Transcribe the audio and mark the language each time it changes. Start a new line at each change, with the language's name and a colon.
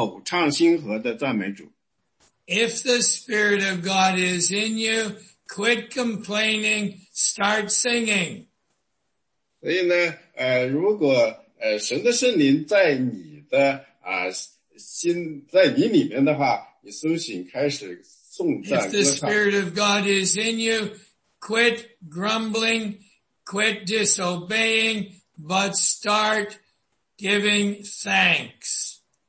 Chinese: 第十八节说，乃要被圣灵充满。第十九节继续说，当用诗章、颂词、灵歌彼此对说，口唱心和的赞美主。
English: If the Spirit of God is in you, quit complaining, start singing.
Chinese: 所以呢，如果神的圣灵在你的心，在你里面的话，你苏醒，开始颂赞歌唱。
English: If the Spirit of God is in you, quit grumbling, quit disobeying, but start giving thanks.